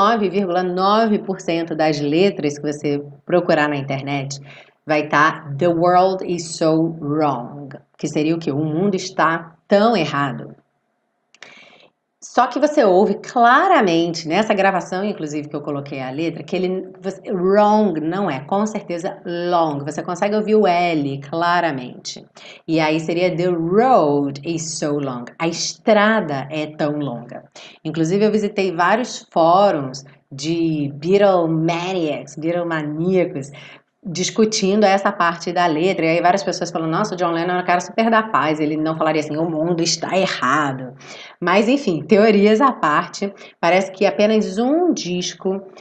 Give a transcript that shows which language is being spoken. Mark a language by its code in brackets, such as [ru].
[pt] 99,9% das letras que você procurar na internet vai estar [en] The world is so wrong, [pt] que seria o quê? O mundo está tão errado. Só que você ouve claramente nessa gravação, inclusive que eu coloquei a letra, que ele wrong não é, com certeza long. Você consegue ouvir o L claramente. E aí seria [en] the road is so long. [pt] A estrada é tão longa. Inclusive eu visitei vários fóruns de Beatlemaniacs, Beatlemaníacos, discutindo essa parte da letra. E aí várias pessoas falam: "Nossa, o John Lennon é um cara super da paz, ele não falaria assim, o mundo está errado". Mas enfim, teorias à parte, parece que apenas um disco